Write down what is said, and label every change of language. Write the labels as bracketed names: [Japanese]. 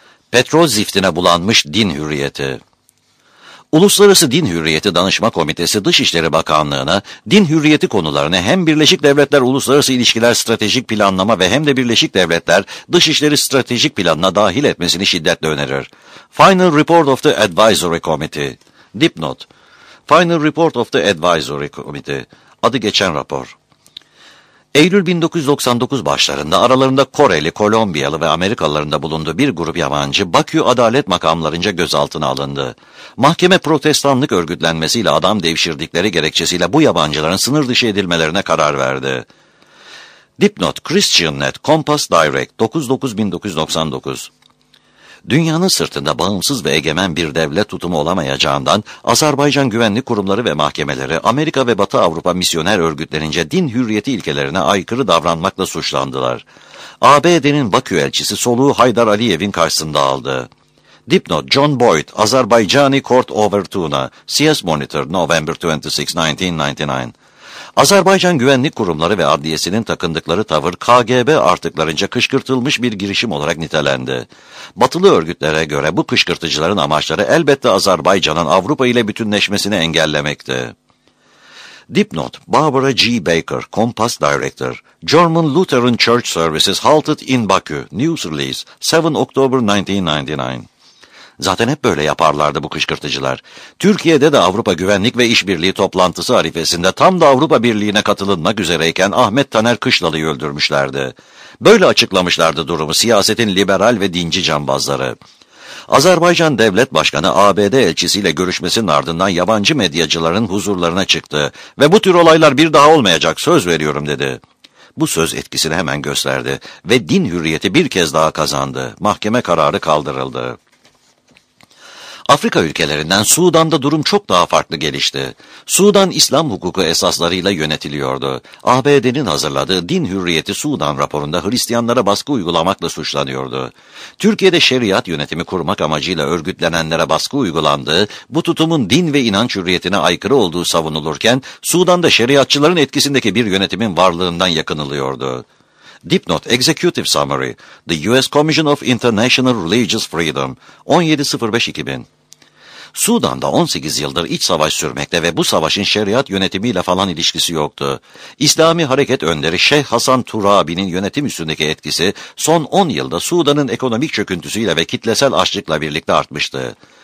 [Turkish] Petrol ziftine bulanmış din hürriyeti. Uluslararası Din Hürriyeti Danışma Komitesi Dışişleri Bakanlığı'na din hürriyeti konularını hem Birleşik Devletler Uluslararası İlişkiler Stratejik Planlama ve hem de Birleşik Devletler Dışişleri Stratejik Planına dahil etmesini şiddetle önerir. [English] Final Report of the Advisory Committee. Dipnot. Final Report of the Advisory Committee. [Turkish] Adı geçen rapor. Eylül 1999 başlarında aralarında Koreli, Kolombiyalı ve Amerikalıların da bulunduğu bir grup yabancı Bakü adalet makamlarınca gözaltına alındı. Mahkeme protestanlık örgütlenmesiyle adam devşirdikleri gerekçesiyle bu yabancıların sınır dışı edilmelerine karar verdi. Dipnot, Christian Net, Compass Direct, 99-1999. Dünyanın sırtında bağımsız ve egemen bir devlet tutumu olamayacağından Azerbaycan güvenlik kurumları ve mahkemeleri Amerika ve Batı Avrupa misyoner örgütlerince din hürriyeti ilkelerine aykırı davranmakla suçlandılar. ABD'nin Bakü elçisi soluğu Haydar Aliyev'in karşısında aldı. [English] Dipnot John Boyd, Azerbaycani Court Overtuna, CS Monitor, November 26, 1999. [Turkish] Azerbaycan güvenlik kurumları ve adliyesinin takındıkları tavır KGB artıklarınca kışkırtılmış bir girişim olarak nitelendi. Batılı örgütlere göre bu kışkırtıcıların amaçları elbette Azerbaycan'ın Avrupa ile bütünleşmesini engellemekti. Dipnot, Barbara G. [English] Baker, Compass Director, German Lutheran Church Services Halted in Baku, News Release, 7 October 1999. [Turkish] Zaten hep böyle yaparlardı bu kışkırtıcılar. Türkiye'de de Avrupa Güvenlik ve İşbirliği toplantısı arifesinde tam da Avrupa Birliği'ne katılınmak üzereyken Ahmet Taner Kışlalı'yı öldürmüşlerdi. Böyle açıklamışlardı durumu siyasetin liberal ve dinci cambazları. Azerbaycan Devlet Başkanı ABD elçisiyle görüşmesinin ardından yabancı medyacıların huzurlarına çıktı ve bu tür olaylar bir daha olmayacak söz veriyorum dedi. Bu söz etkisini hemen gösterdi ve din hürriyeti bir kez daha kazandı. Mahkeme kararı kaldırıldı. Afrika ülkelerinden Sudan'da durum çok daha farklı gelişti. Sudan İslam hukuku esaslarıyla yönetiliyordu. ABD'nin hazırladığı Din Hürriyeti Sudan raporunda Hristiyanlara baskı uygulamakla suçlanıyordu. Türkiye'de şeriat yönetimi kurmak amacıyla örgütlenenlere baskı uygulandığı, bu tutumun din ve inanç hürriyetine aykırı olduğu savunulurken, Sudan'da şeriatçıların etkisindeki bir yönetimin varlığından yakınılıyordu. [English] Dipnot Executive Summary, The U.S. Commission of International Religious Freedom, 17.05.2000. [Turkish] Sudan'da 18 yıldır iç savaş sürmekte ve bu savaşın şeriat yönetimiyle falan ilişkisi yoktu. İslami Hareket Önderi Şeyh Hasan Turabi'nin yönetim üstündeki etkisi son 10 yılda Sudan'ın ekonomik çöküntüsüyle ve kitlesel açlıkla birlikte artmıştı.